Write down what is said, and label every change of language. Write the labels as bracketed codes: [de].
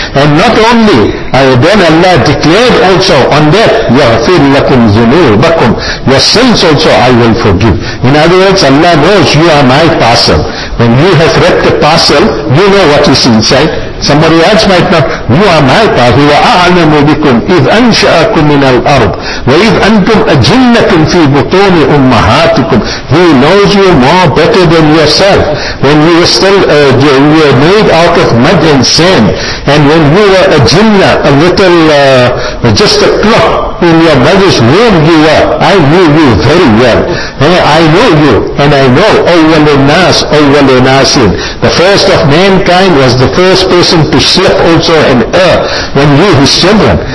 [en] And not only, then Allah declared also on that, [ar] يَغْفِرْ لَكُمْ ذُنُوبَكُمْ, [en] your sins also I will forgive. In other words, Allah knows you are my parcel. When you have read the parcel, you know what is inside. Somebody else might not, you are my parcel. [ar] وَأَعْلَمُ بِكُمْ إِذْ أَنْشَأَكُمْ مِنَ الْأَرْضِ وَإِذْ أَنْتُمْ أَجِنَّةٌ فِي بُطُونِ أُمَّهَاتِكُمْ, [en] He knows you more better than yourself. When you were still, you were made out of mud and sand, and when you were a jinnah, a little, just a clock in your mother's womb you were, I knew you very well. I know you, and I know [ar] أول الناس, [en] the first of mankind was the first person to slip also in air when you his children.